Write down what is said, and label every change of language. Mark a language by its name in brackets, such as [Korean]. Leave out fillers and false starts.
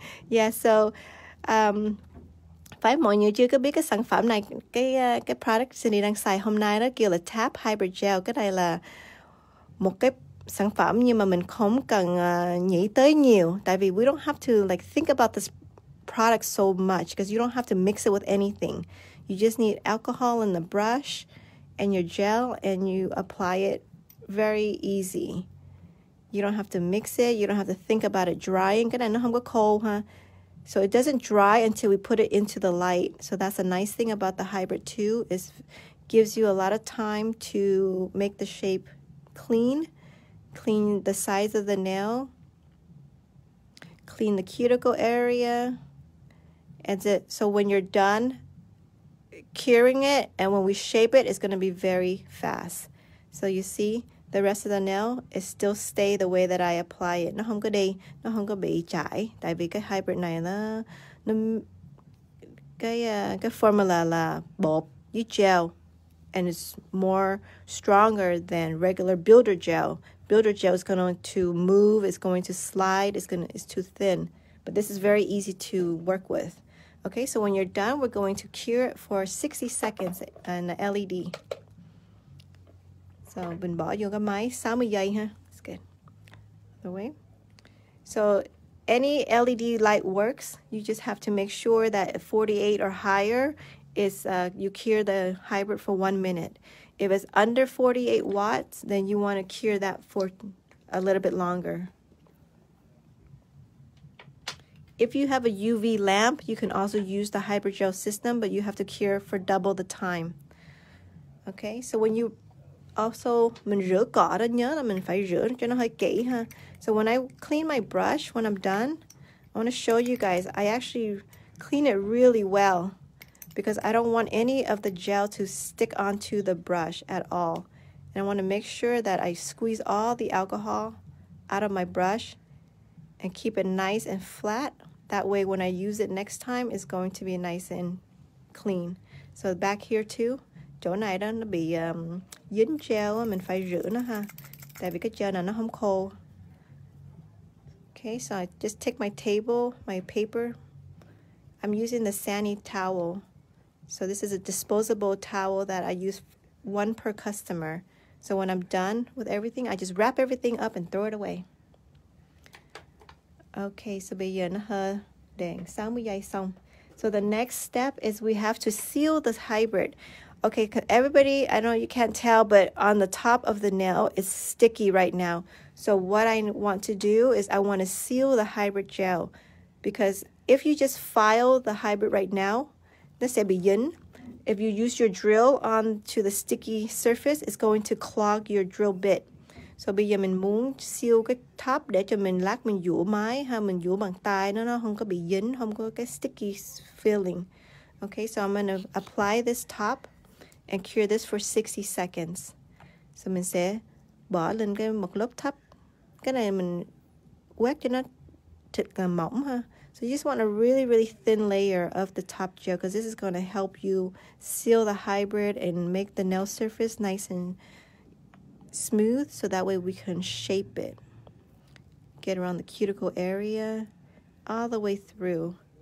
[Vietnamese] Yeah, so phải mọi người chưa có biết cái sản phẩm này, cái product Cindy đang xài hôm nay đó kêu là Tap Hybrid Gel. Cái này là một cái sản phẩm nhưng mà mình không cần nghĩ tới nhiều. Tại vì [English] we don't have to like think about this product so much because you don't have to mix it with anything. You just need alcohol in the brush and your gel and you apply it very easy. You don't have to mix it. You don't have to think about it drying. [Vietnamese] Cái này nó không có khô, huh? [English] So it doesn't dry until we put it into the light. So that's a nice thing about the hybrid too, is gives you a lot of time to make the shape clean the size of the nail, clean the cuticle area. And so when you're done curing it and when we shape it, it's going to be very fast. So you see the rest of the nail is still stay the way that I apply it. [Vietnamese] Nó không có bị chảy, tại vì cái hybrid này nó cái formula là bột với gel, [English] and it's more stronger than regular builder gel. Builder gel is going to move, it's going to slide, it's too thin. But this is very easy to work with. Okay, so when you're done, we're going to cure it for 60 seconds on the LED. [Vietnamese] So, mình bỏ vô cái máy 60 giây ha. [English] It's good. The way. So, any LED light works. You just have to make sure that 48 or higher is you cure the hybrid for 1 minute. If it's under 48 watts, then you want to cure that for a little bit longer. If you have a UV lamp, you can also use the hybrid gel system, but you have to cure for double the time. Okay? So, when you [Vietnamese] also mình rửa cỏ đó, nhớ là mình phải rửa cho nó hơi kỹ ha. [English] So when I clean my brush, when I'm done, I want to show you guys, I actually clean it really well because I don't want any of the gel to stick onto the brush at all. And I want to make sure that I squeeze all the alcohol out of my brush and keep it nice and flat. That way when I use it next time, it's going to be nice and clean. So back here too, [Vietnamese] chỗ này đó nó bị dính gel, mình phải rửa nó ha. Tại vì cái gel này nó không khô. [English] Okay, so I just take my table, my paper. I'm using the Sani towel. So this is a disposable towel that I use one per customer. So when I'm done with everything, I just wrap everything up and throw it away. [Vietnamese] Okay, so bây giờ nó hơi đen, 60 giây xong. [English] So the next step is we have to seal this hybrid. Okay, everybody, I know you can't tell, but on the top of the nail, it's sticky right now. So what I want to do is I want to seal the hybrid gel. Because if you just file the hybrid right now, let's say begin, if you use your drill onto the sticky surface, it's going to clog your drill bit. [Vietnamese] So bây giờ mình muốn seal cái top để cho mình lát mình dũa mái ha, mình dũa bằng tay nó không có bị dính, không có cái sticky feeling. [English] Okay, so I'm gonna apply this top and cure this for 60 seconds. [Vietnamese] So mình sẽ bỏ lên cái một lớp top. Cái này mình quét cho nó thật là mỏng ha. [English] So you just want a really, really thin layer of the top gel because this is going to help you seal the hybrid and make the nail surface nice and smooth so that way we can shape it. Get around the cuticle area all the way through.